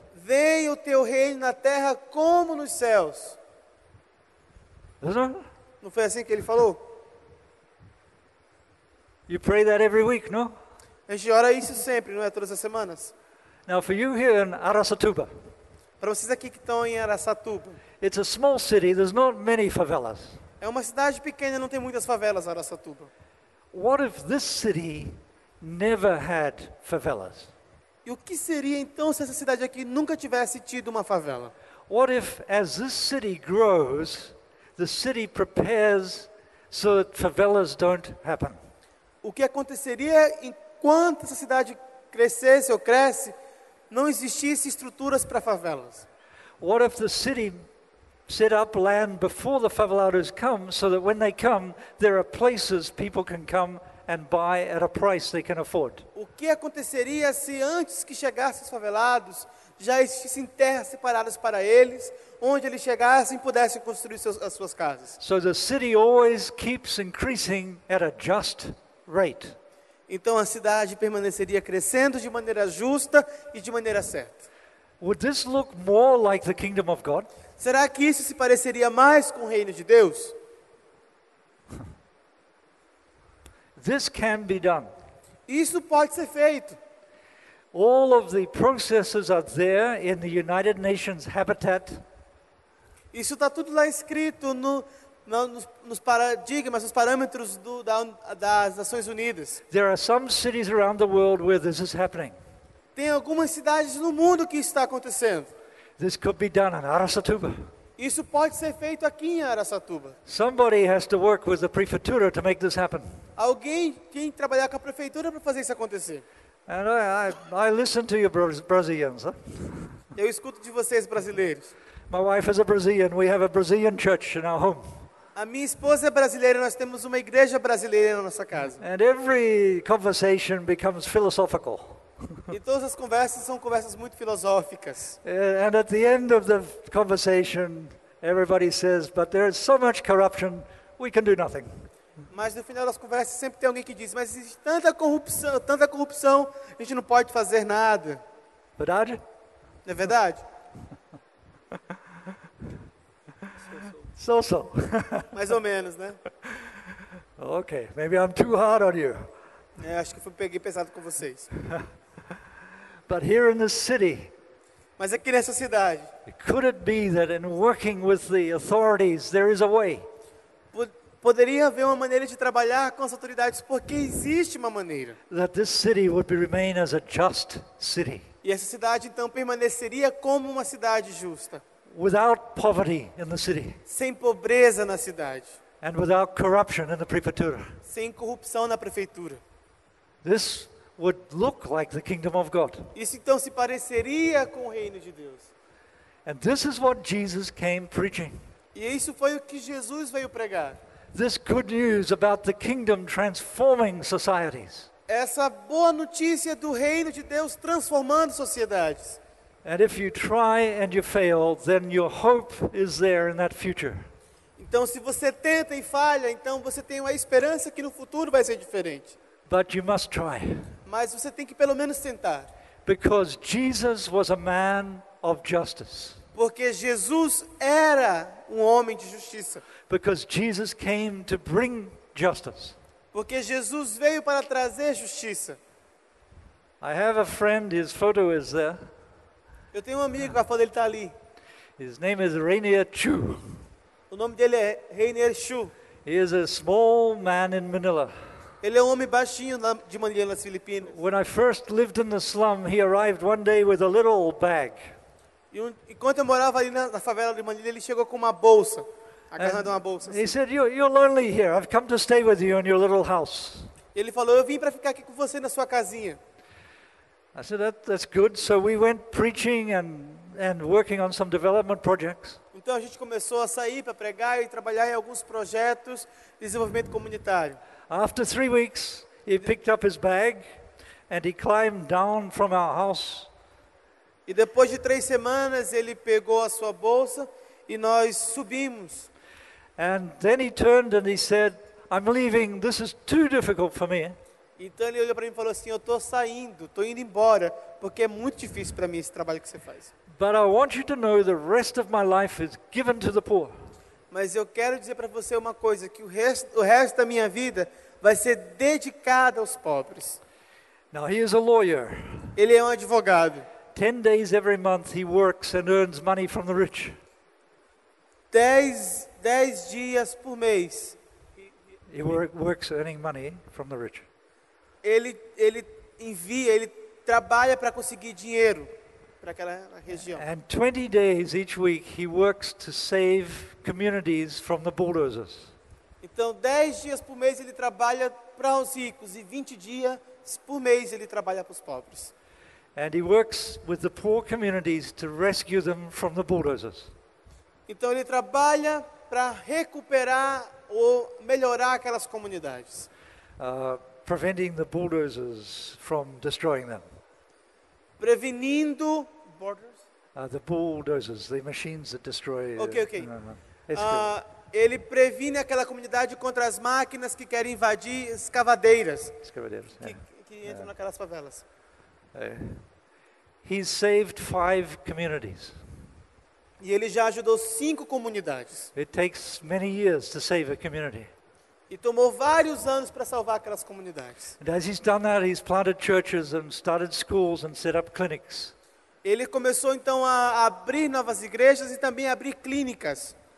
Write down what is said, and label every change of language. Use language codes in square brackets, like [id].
[pt] Venha o teu reino na terra como nos céus. Não foi assim que ele falou? [en] You pray that every week, no? [pt] A gente ora isso sempre, não é? Todas as semanas. [en] Now for you here in Araçatuba. [pt] Para vocês aqui que estão em Araçatuba. [en] It's a small city, there's not many favelas. [pt] É uma cidade pequena, não tem muitas favelas, Araçatuba. [en] What if this city never had favelas? [pt] E o que seria então se essa cidade aqui nunca tivesse tido uma favela? [en] What if as this city grows, the city prepares so that favelas don't happen? [pt] O que aconteceria enquanto essa cidade crescesse ou cresce, não existisse estruturas para favelas? [en] What if the city set up land before the favelados come so that when they come there are places people can come and buy at a price they can afford? [pt] O que aconteceria se antes que chegassem os favelados já existissem terras separadas para eles, onde eles chegassem e pudessem construir as suas casas? [en] So the city always keeps increasing at a just rate. [pt] Então a cidade permaneceria crescendo de maneira justa e de maneira certa. [en] Would this look more like the kingdom of God? [pt] Será que isso se pareceria mais com o reino de Deus? [en] This can be done. [pt] Isso pode ser feito. [en] All of the processes are there in the United Nations Habitat. [pt] Isso está tudo lá escrito nos paradigmas, nos parâmetros das Nações Unidas. [en] There are some cities around the world where this is happening. [pt] Tem algumas cidades no mundo que isso está acontecendo. [en] This could be done in Araçatuba. [pt] Isso pode ser feito aqui em Araçatuba. [en] Somebody has to work with the prefecture to make this happen. [pt] Alguém tem que trabalhar com a prefeitura para fazer isso acontecer. [en] And I listen to you Brazilians. [pt] Eu escuto de vocês brasileiros. [en] My wife is a Brazilian. We have a Brazilian church in our home. [pt] A minha esposa é brasileira. Nós temos uma igreja brasileira na nossa casa. [en] And every conversation becomes philosophical. [pt] E todas as conversas são conversas muito filosóficas. [en] And at the end of the conversation, everybody says, "But there is so much corruption, we can do nothing." [pt] Mas no final das conversas sempre tem alguém que diz, "Mas existe tanta corrupção, a gente não pode fazer nada." Verdade? É verdade? [en] So. [pt] Mais ou menos, né? [en] Okay, maybe I'm too hard on you. [pt] É, acho que peguei pesado com vocês. [en] But here in this city, [pt] mas aqui nessa cidade, [en] could it be that in working with the authorities there is a way? [pt] Poderia haver uma maneira de trabalhar com as autoridades, porque existe uma maneira. [en] That this city would remain as a just city. [pt] E essa cidade então permaneceria como uma cidade justa. [en] Without poverty in the city. [pt] Sem pobreza na cidade. [en] And without corruption in the prefecture. [pt] Sem corrupção na prefeitura. [en] This would look like the kingdom of God. [pt] Isso então se pareceria com o reino de Deus. [en] And this is what Jesus came preaching. [pt] E isso foi o que Jesus veio pregar. [en] This good news about the kingdom transforming societies. [pt] Essa boa notícia do reino de Deus transformando sociedades. [en] And if you try and you fail, then your hope is there in that future. [pt] Então se você tenta e falha, então você tem uma esperança que no futuro vai ser diferente. [en] But you must try. [pt] Mas você tem que pelo menos tentar. [en] Because Jesus was a man of justice. [pt] Porque Jesus era um homem de justiça. [en] Because Jesus came to bring justice. [pt] Porque Jesus veio para trazer justiça. [en] I have a friend, his photo is there. [pt] Eu tenho um amigo, a foto dele está ali. [en] His name is Rainier Chu. [pt] O nome dele é Rainier Chu. [en] He is a small man in Manila. [pt] Ele é um homem baixinho de Manila, nas Filipinas. [en] When I first lived in the slum, he arrived one day with a little bag. [pt] Enquanto eu morava ali na favela de Manila, ele chegou com uma bolsa, agarrando uma bolsa. [en] He said, you're lonely here. I've come to stay with you in your little house. Ele falou, eu vim para ficar aqui com você na sua casinha. I said, that's good. So we went preaching and working on some development projects. [pt] Então a gente começou a sair para pregar e trabalhar em alguns projetos de desenvolvimento comunitário. [en] After 3 weeks, he picked up his bag and he climbed down from our house. [pt] E depois de 3 semanas, ele pegou a sua bolsa e nós subimos. [en] And then he turned and he said, I'm leaving. This is too difficult for me. [pt] Então ele olhou para mim e falou assim, eu estou indo embora, porque é muito difícil para mim esse trabalho que você faz. [en] But I want you to know the rest of my life is given to the poor. [pt] Mas eu quero dizer para você uma coisa, que o resto da minha vida vai ser dedicada aos pobres. [en] Now he is a lawyer. [pt] Ele é um advogado. [en] 10 days every month he works and earns money from the rich. [pt] 10 dias por mês. [en] He works earning money from the rich. [pt] Ele trabalha para conseguir dinheiro para aquela região. [en] And 20 days each week he works to save communities from the bulldozers. [pt] Então 10 dias por mês ele trabalha para os ricos e 20 dias por mês ele trabalha para os pobres. [en] And he works with the poor communities to rescue them from the bulldozers. Então ele trabalha para recuperar ou melhorar aquelas comunidades. Preventing the bulldozers from destroying them. [pt] Prevenindo borders? [en] The bulldozers, the machines that destroy. Okay. [pt] Ele previne aquela comunidade contra as máquinas que querem invadir escavadeiras. Escavadeiras. Que entram naquelas favelas. [en] He saved 5 communities. [pt] E ele já ajudou 5 comunidades. [en] It takes many years to save a community. [pt] E tomou vários anos para salvar aquelas comunidades. [en] And as he's done that, he's planted churches and started schools and set up clinics. [pt] Ele começou então a abrir novas igrejas e também a abrir clínicas.